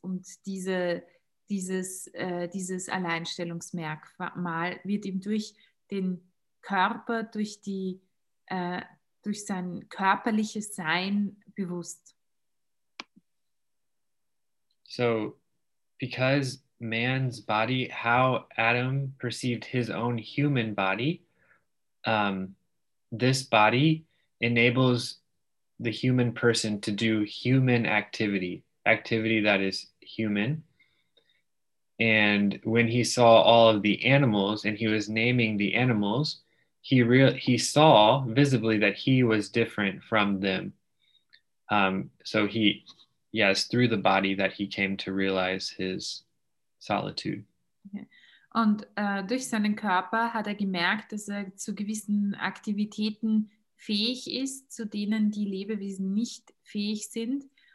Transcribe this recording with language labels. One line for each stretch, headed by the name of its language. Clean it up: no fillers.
German: Und dieses Alleinstellungsmerkmal wird ihm durch den Körper, durch sein körperliches Sein bewusst.
English: So, because man's body, how Adam perceived his own human body, this body enables the human person to do human activity that is human. And when he saw all of the animals and he was naming the animals, he saw visibly that he was different from them. So through the body that he came to realize his solitude.
German: Und durch seinen Körper hat er gemerkt, dass er zu gewissen Aktivitäten fähig ist, zu denen die Lebewesen nicht fähig sind.